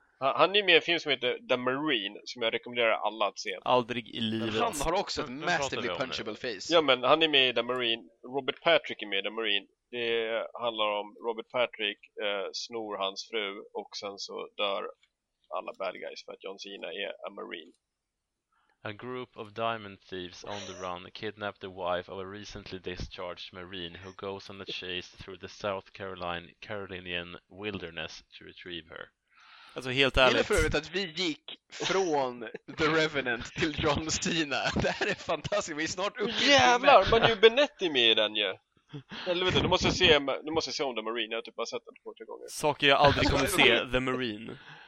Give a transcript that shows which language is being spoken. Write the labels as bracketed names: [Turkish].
[Swedish] Han är med i en film som heter The Marine, som jag rekommenderar alla att se. Aldrig i livet. Han har också ett [English] massively punchable face. [Swedish] Ja, men han är med i The Marine. Robert Patrick är med i The Marine. Det handlar om Robert Patrick snor hans fru, och sen så dör alla bad guys för att John Cena är a marine. [English] A group of diamond thieves on the run kidnap the wife of a recently discharged marine who goes on a chase through the South Carolinian wilderness to retrieve her. [Swedish] Alltså helt ärligt. Det är för övrigt att vi gick från The Revenant till John Cena. Det här är fantastiskt, vi är snart uppe. Jävlar, man är ju Benetti med i den ju. Eller vet du, du måste se om The Marine, jag typ har sett den 2-3 gånger. Saker jag aldrig kommer se, The Marine.